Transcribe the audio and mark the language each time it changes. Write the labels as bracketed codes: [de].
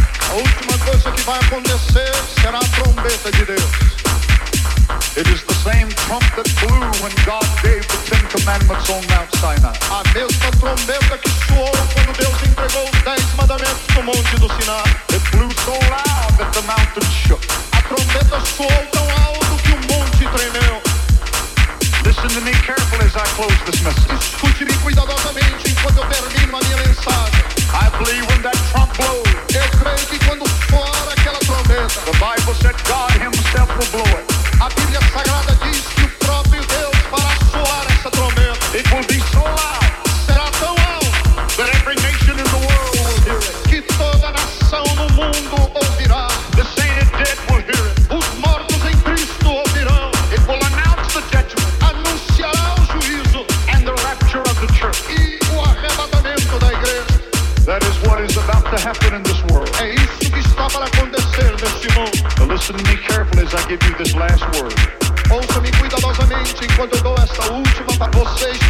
[pt] A última coisa que vai acontecer será a trombeta de Deus. [en] It is the same trump that blew when God gave the Ten Commandments on Mount Sinai. [pt] A mesma trombeta que soou quando Deus entregou os dez mandamentos no Monte do Sinai. [en] It blew so loud that the mountain shook. [pt] A trombeta soou tão alto que o monte tremeu. [en] Listen to me carefully as I close this message. [pt] Escute-me cuidadosamente enquanto eu termino a minha mensagem. [en] I believe when that trump blows. [pt] Eu creio que quando soar aquela trombeta. [en] The Bible said God himself will blow it. [pt] A Bíblia Sagrada diz que o próprio Deus fará soar essa trombeta. [en] It will be so loud. [pt] Será tão alto. [en] That every nation in the world will hear it. [pt] Que toda nação no mundo ouvirá. [en] The saints dead will hear it. [pt] Os mortos em Cristo ouvirão. [en] It will announce the judgment. [pt] Anunciará o juízo. [en] And the rapture of the church. [pt] E o arrebatamento da igreja. [en] That is what is about to happen in this world. [pt] É isso que está para acontecer neste mundo. [en] Now listen to me carefully as I give you this last word. [pt] Ouça-me cuidadosamente enquanto eu dou esta última para você.